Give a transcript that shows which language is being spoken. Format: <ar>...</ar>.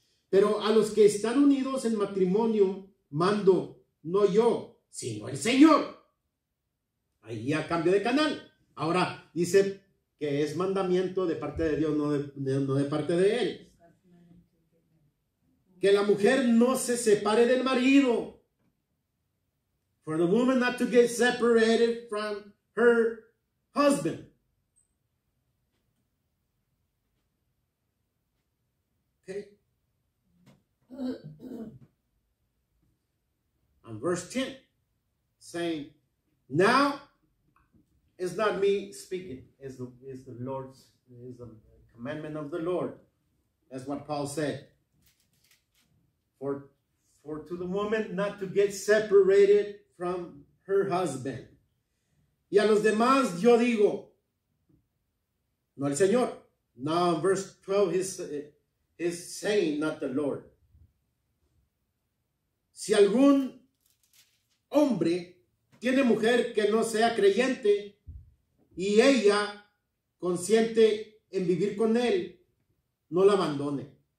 <es>Pero a los que están unidos en matrimonio, mando, no yo, sino el Señor. Ahí ya cambio de canal. Ahora dice que es mandamiento de parte de Dios, no de parte de él. Que la mujer no se separe del marido.</es> <en>For the woman not to get separated from her husband. Okay. And verse 10. Saying, now it's not me speaking. It's the Lord's, is the commandment of the Lord. That's what Paul said. For to the woman not to get separated from her husband.</en> <es>Y a los demás yo digo, no al Señor.</es> <en>Now verse 12 is saying, not the Lord.</en> <es>Si algún hombre tiene mujer que no sea creyente y ella consiente en vivir con él, no la abandone.</es>